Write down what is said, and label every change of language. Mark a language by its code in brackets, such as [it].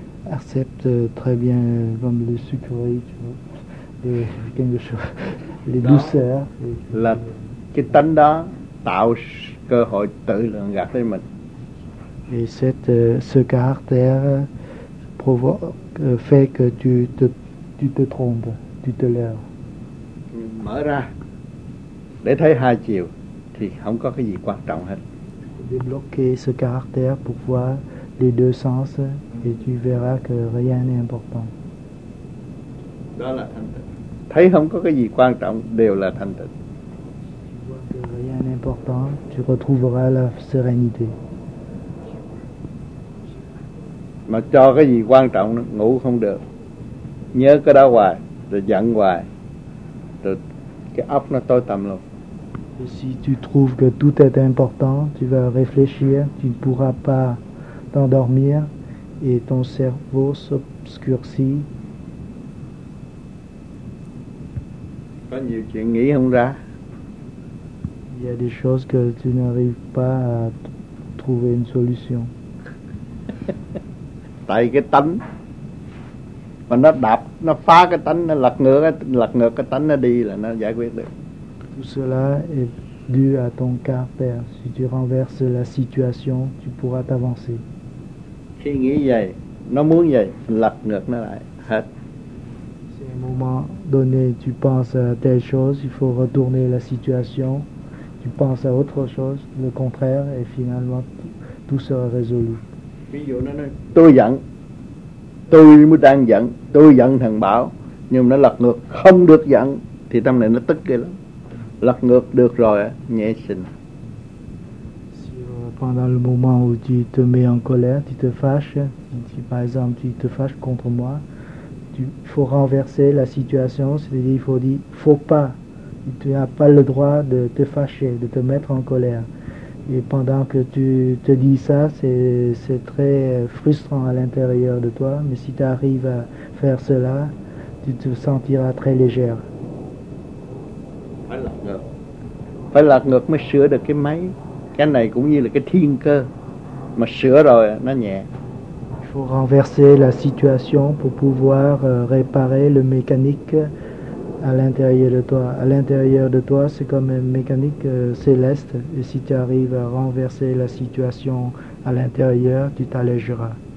[fr] Accepte très bien comme le sucre, tu vois, quelque chose, les douceurs. [vi] Là cái tánh đó tạo cơ hội tự lượng gạt lấy mình. [fr] Et ce caractère provoque, fait que tu te trompes, tu te lèves. [vi] Mở ra để thấy hai chiều thì không có cái gì quan trọng hết. [fr] Débloquer ce caractère pour voir les deux sens et tu verras que rien n'est important. [vi] Đó là thanh tịnh. Thấy không có cái gì quan trọng đều là thanh tịnh. [fr] Tu vois que rien n'est important, tu retrouveras la sérénité. [vi] Mà cho cái gì quan trọng ngủ không được. Nhớ cái đó hoài, rồi giận hoài, rồi cái óc nó tối tăm luôn. [fr] Et si tu trouves que tout est important, tu vas réfléchir, tu ne pourras pas t'endormir, et ton cerveau s'obscurcit. [vi] Có nhiều chuyện nghĩ không ra. [fr] Il y a des choses que tu n'arrives pas à trouver une solution. [vi] Tại cái tánh. Mà nó đạp, nó phá cái tánh, nó lật ngược cái tánh nó đi là nó giải quyết được. [fr] Tout cela est dû à ton caractère. Si tu renverses la situation, tu pourras t'avancer. [vi] Khi nghĩ vậy, nó muốn vậy, lật ngược nó lại, hết. [fr] Si à un moment donné, tu penses à telle chose, il faut retourner la situation. Tu penses à autre chose, le contraire, et finalement, tout sera résolu. [vi] Ví dụ nó nói, tôi giận. Tôi mới đang giận, tôi giận thằng Bảo, nhưng nó lật ngược, không được giận, thì tâm này nó tức ghê lắm. Lật ngược được rồi, nhẹ xin. [fr] Si pendant le moment où tu te mets en colère, tu te fâches, si par exemple tu te fâches contre moi, tu faut renverser la situation, c'est-à-dire il faut dire, faut pas, tu n'as pas le droit de te fâcher, de te mettre en colère. Et pendant que tu te dis ça, c'est très frustrant à l'intérieur de toi. Mais si tu arrives à faire cela, tu te sentiras très légère. [vi] Phải lật ngược. Phải lật ngược mới sửa được cái máy. Cái này cũng như là cái thiên cơ. Mà sửa rồi, nó nhẹ. [fr] Il faut renverser la situation pour pouvoir réparer le mécanique à l'intérieur de toi. À l'intérieur de toi, c'est comme une mécanique céleste. Et si tu arrives à renverser la situation à l'intérieur, tu t'allégeras.